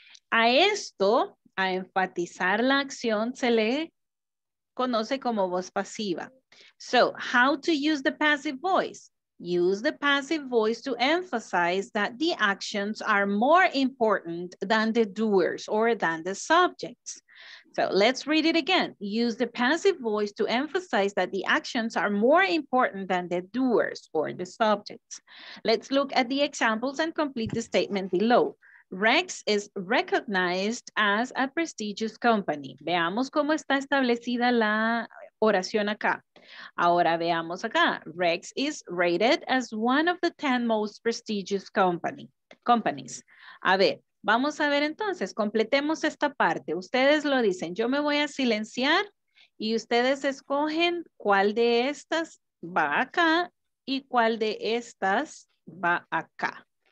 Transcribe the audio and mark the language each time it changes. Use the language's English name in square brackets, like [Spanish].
[Spanish] A esto, a enfatizar la acción, se le conoce como voz pasiva. [English] So, how to use the passive voice? Use the passive voice to emphasize that the actions are more important than the doers or than the subjects. So let's read it again. Use the passive voice to emphasize that the actions are more important than the doers or the subjects. Let's look at the examples and complete the statement below. Rex is recognized as a prestigious company. [Spanish] Veamos cómo está establecida la oración acá. Ahora veamos acá. [English] Rex is rated as one of the 10 most prestigious companies. [Spanish] A ver. Vamos a ver entonces, completemos esta parte. Ustedes lo dicen, yo me voy a silenciar y ustedes escogen cuál de estas va acá y cuál de estas va acá.